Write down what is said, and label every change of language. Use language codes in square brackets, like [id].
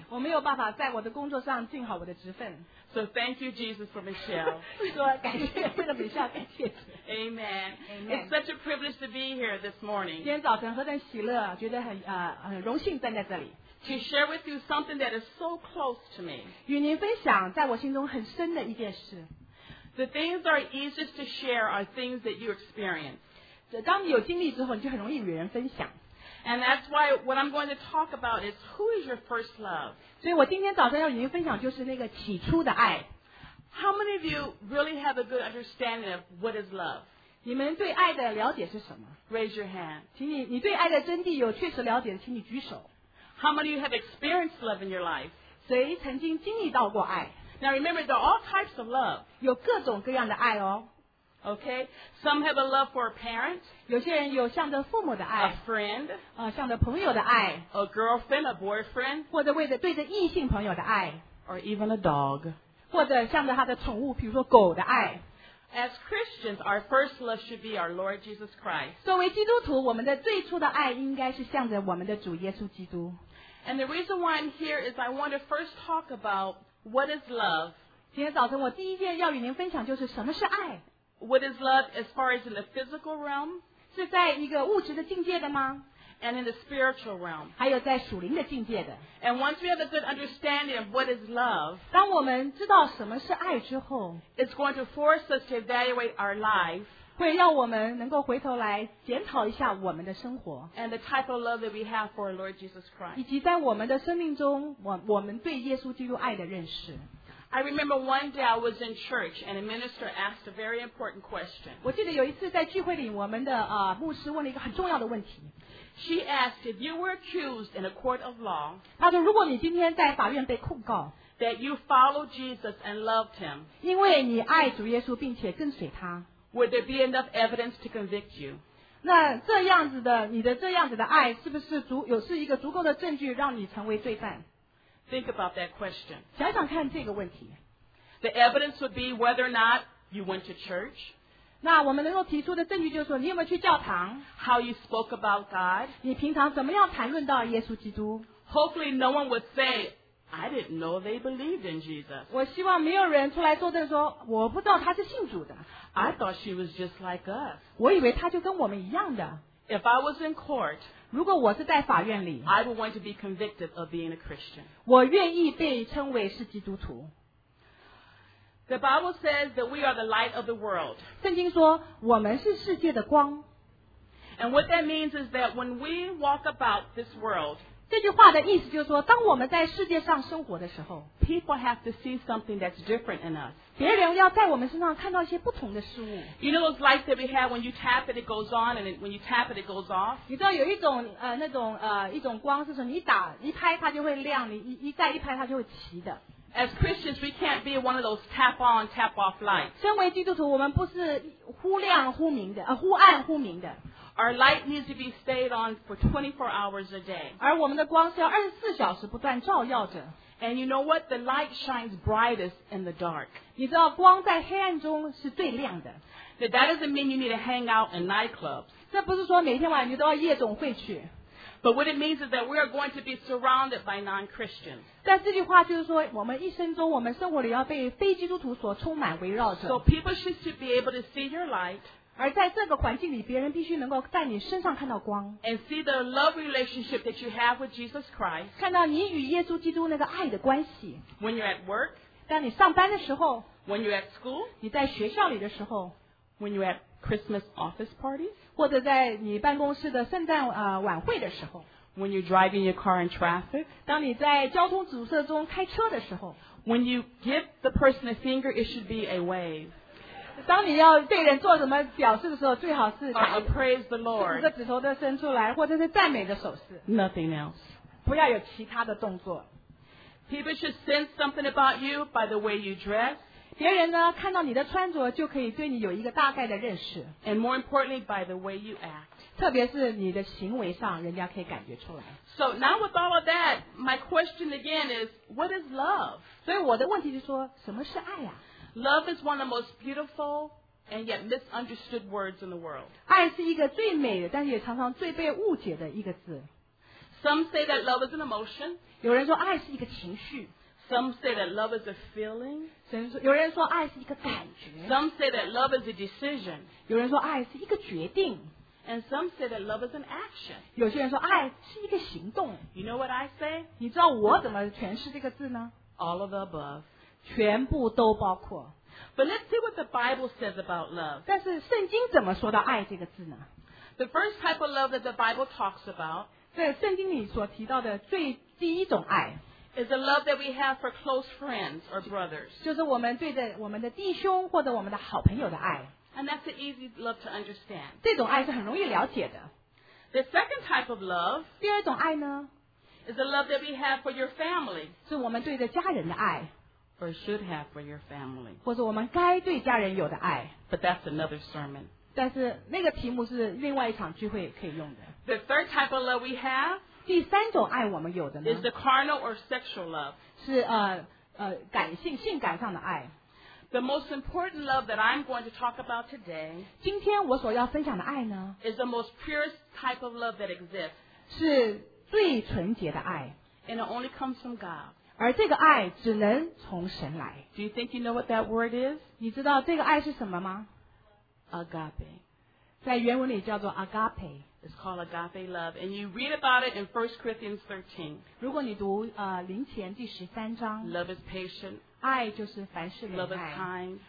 [zh] 我没有办法在我的工作上尽好我的职分。 [en] So thank you, Jesus, for Michelle. [zh] 说感谢，为了美笑，感谢主。 [en] Amen. Amen. It's such a privilege to be here this morning. [zh] 今天早晨何等喜乐，觉得很荣幸站在这里。 [en] To share with you something that is so close to me. [zh] 与您分享在我心中很深的一件事。 [en] The things that are easiest to share are things that you experience. [zh] 当你有经历之后，你就很容易与人分享。 [en] And that's why what I'm going to talk about is who is your first love. [zh] 所以我今天早上要与您分享就是那个起初的爱。 [en] How many of you really have a good understanding of what is love? [zh] 你们对爱的了解是什么？ [en] Raise your hand. [zh] 请你对爱的真谛有确实了解，请你举手。 [en] How many of you have experienced love in your life? [zh] 谁曾经经历到过爱？ [en] Now remember, there are all types of love. [zh] 有各种各样的爱哦。 [en] Okay, some have a love for a parent. [zh] 有些人有向着父母的爱。 [en] A friend. [zh] 向着朋友的爱。 [en] A girlfriend, a boyfriend. [zh] 或者对着异性朋友的爱。 [en] Or even a dog. [zh] 或者向着他的宠物，比如说狗的爱。 [en] As Christians, our first love should be our Lord Jesus Christ. [zh] 作为基督徒，我们的最初的爱应该是向着我们的主耶稣基督。 [en] And the reason why I'm here is I want to first talk about what is love. [zh] 今天早晨我第一件要与您分享就是什么是爱。 [en] What is love as far as in the physical realm? [zh] 是在一个物质的境界的吗？ [en] And in the spiritual realm. [zh] 还有在属灵的境界的。 [en] And once we have a good understanding of what is love, [zh] 当我们知道什么是爱之后， [en] it's going to force us to evaluate our life. [zh] 会让我们能够回头来检讨一下我们的生活。 [en] And the type of love that we have for our Lord Jesus Christ. [zh] 以及在我们的生命中， 我们对耶稣基督爱的认识。 [en] I remember one day I was in church and a minister asked a very important question. [zh] 我记得有一次在聚会里，我们的牧师问了一个很重要的问题。 [en] She asked if you were accused in a court of law. [zh] 她说如果你今天在法院被控告。 [en] That you followed Jesus and loved him. [zh] 因为你爱主耶稣并且跟随他。 [en] Would there be enough evidence to convict you? [zh] 那这样子的你的这样子的爱是不是是一个足够的证据让你成为罪犯？ [en] Think about that question. [zh] 想想看这个问题。 [en] The evidence would be whether or not you went to church. [zh] 那我们能够提出的证据就是说你有没有去教堂。 [en] How you spoke about God. [zh] 你平常怎么样谈论到耶稣基督。 [en] Hopefully no one would say, I didn't know they believed in Jesus. [zh] 我希望没有人出来作证说我不知道他是信主的。 [en] I thought she was just like us. [zh] 我以为他就跟我们一样的。 [en] If I was in court, [zh] 如果我是在法院里, [en] I would want to be convicted of being a Christian. [zh] 我愿意被称为是基督徒。 [en] The Bible says that we are the light of the world. [zh] 圣经说我们是世界的光。 [en] And what that means is that when we walk about this world, [zh] 这句话的意思就是说当我们在世界上生活的时候, [en] people have to see something that's different in us. [zh] 别人要在我们身上看到一些不同的事物。 [en] You know those lights that we have when you tap it, it goes on, and when you tap it, it goes off? [zh] 你知道有一种那种一种光是什么你一拍它就会亮你一再一拍它就会齐的。 [en] As Christians, we can't be one of those tap on, tap off lights. [zh] 身为基督徒，我们不是忽亮忽明的，忽暗忽明的。 [en] Our light needs to be stayed on for 24 hours a day. [zh] 而我们的光是要24小时不断照耀着。 [en] And you know what? The light shines brightest in the dark. [zh] 你知道光在黑暗中是最亮的。 [en] But that doesn't mean you need to hang out in nightclubs. [zh] 这不是说每天晚上你都要夜总会去。 [en] But what it means is that we are going to be surrounded by non-Christians. [zh] 但这句话就是说，我们一生中，我们生活里要被非基督徒所充满围绕着。 [en] So people should be able to see your light. [zh] 而在这个环境里，别人必须能够在你身上看到光。 [en] And see the love relationship that you have with Jesus Christ. [zh] 看到你与耶稣基督那个爱的关系。 [en] When you're at work. [zh] 当你上班的时候。 [en] When you're at school. [zh] 你在学校里的时候。 [en] When you're at Christmas office parties. [zh] 或者在你办公室的圣诞晚会的时候 [en] When you're driving your car in traffic [zh] 当你在交通阻塞中开车的时候 [en] When you give the person a finger it should be a wave [zh] 当你要对人做什么表示的时候最好是 [en] praise the Lord [zh] 这指头都伸出来或者是赞美的手势 [en] Nothing else [zh] 不要有其他的动作 [en] People should sense something about you by the way you dress [zh] 别人呢看到你的穿着就可以对你有一个大概的认识 [en] And more importantly by the way you act [zh] 特别是你的行为上人家可以感觉出来 [en] So now with all of that my question again is what is love? [zh] 所以我的问题就是说什么是爱啊 [en] Love is one of the most beautiful and yet misunderstood words in the world [zh] 爱是一个最美的但是也常常最被误解的一个字 [en] Some say that love is an emotion [zh] 有人说爱是一个情绪 [en] Some say that love is a feeling. [zh] 有人说爱是一个感觉。 [en] Some say that love is a decision. [zh] 有人说爱是一个决定。 [en] And some say that love is an action. [zh] 有些人说爱是一个行动。 [en] You know what I say? [zh] 你知道我怎么诠释这个字呢？ [en] All of the above. [zh] 全部都包括。 [en] But let's see what the Bible says about love. [zh] 但是圣经怎么说到爱这个字呢？ [en] The first type of love that the Bible talks about. [zh] 在圣经里所提到的最第一种爱。 [en] Is the love that we have for close friends or brothers. [zh] 就是我们对着我们的弟兄或者我们的好朋友的爱。 [en] And that's an easy love to understand. [zh] 这种爱是很容易了解的。 [en] The second type of love. [zh] 第二种爱呢? [en] Is the love that we have for your family. [zh] 是我们对着家人的爱。 [en] Or should have for your family. [zh] 或者我们该对家人有的爱。 [en] But that's another sermon. [zh] 但是那个题目是另外一场聚会可以用的。 [en] The third type of love we have. [zh] 第三种爱我们有的呢 [en] is the carnal or sexual love [zh] 是感性性感上的爱 [en] the most important love that I'm going to talk about today [zh] 今天我所要分享的爱呢 [en] is the most purest type of love that exists [zh] 是最纯洁的爱 [en] and it only comes from God [zh] 而这个爱只能从神来 [en] do you think you know what that word is [zh] 你知道这个爱是什么吗 [en] agape [zh] 在原文里叫做 agape [en] It's called agape love. And you read about it in 1 Corinthians 13. [zh] 如果你读林前第十三章 [en] Love is patient. [zh] 爱就是凡事忍耐 [en] Love is kind.